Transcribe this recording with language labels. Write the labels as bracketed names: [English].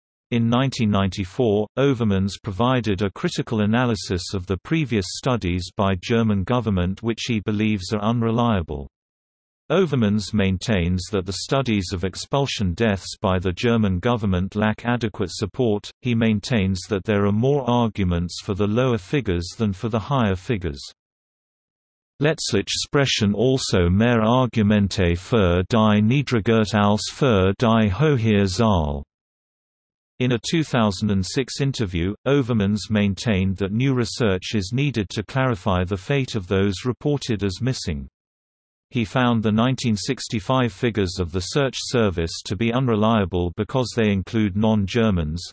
[English] In 1994, Overmans provided a critical analysis of the previous studies by German government which he believes are unreliable. Overmans maintains that the studies of expulsion deaths by the German government lack adequate support. He maintains that there are more arguments for the lower figures than for the higher figures. [German] Letztlich sprechen also mehr Argumente für die Niedrigkeit als für die hohe Zahl. [English] In a 2006 interview, Overmans maintained that new research is needed to clarify the fate of those reported as missing. He found the 1965 figures of the search service to be unreliable because they include non-Germans.